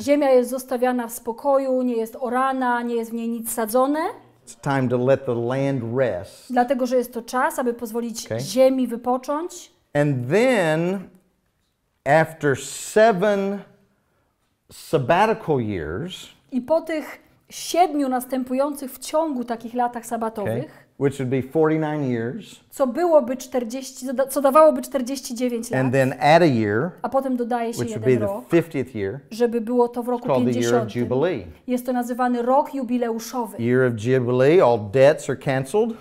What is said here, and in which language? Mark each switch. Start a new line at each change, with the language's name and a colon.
Polish: Ziemia jest zostawiana w spokoju, nie jest orana, nie jest w niej nic sadzone.
English: It's time to let the land rest.
Polish: Dlatego, że jest to czas, aby pozwolić ziemi wypocząć.
English: And then, after 7 sabbatical years,
Polish: i po tych siedmiu następujących w ciągu takich latach sabatowych,
English: okay, which would be 49 years,
Polish: co byłoby 40, co dawałoby 49 lat,
English: and then add a year,
Polish: a potem dodaje się
English: which
Polish: jeden
English: would be
Polish: rok,
English: the 50th year,
Polish: żeby było to w roku 50. Jest to nazywany rok jubileuszowy.
English: Year of Jubilee, all debts are canceled.